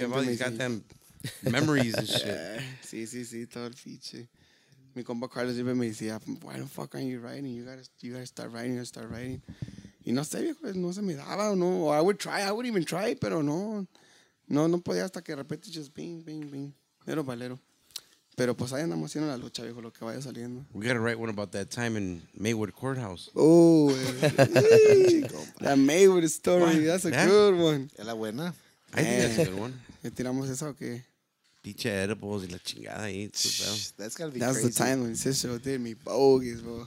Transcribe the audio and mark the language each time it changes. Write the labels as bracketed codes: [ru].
[en] yeah, he's got them memories and shit. Yeah. [es] Sí, sí, sí, todo el fiche. Mi compa Carlos siempre me decía, [en] why the fuck aren't you writing? You gotta start writing, you gotta start writing. [es] Y no sé, viejo, no se me daba, o no. [en] Or I would try, I would even try, [es] pero no. No, no podía hasta que de repente [en] just bing, bing, bing. [es] Mero valero. Pero pues ahí andamos haciendo la lucha, viejo, lo que vaya saliendo. [en] We gotta write one about that time in Maywood Courthouse. Oh, that Maywood story, what? That's a yeah. good one. [es] ¿Es la buena? [en] Man. I think that's a good one. [es] ¿Le tiramos esa o qué? Piche edibles y la chingada ahí. [en] That's gotta be that's crazy. That's the time when Cicero did me bogus, bro.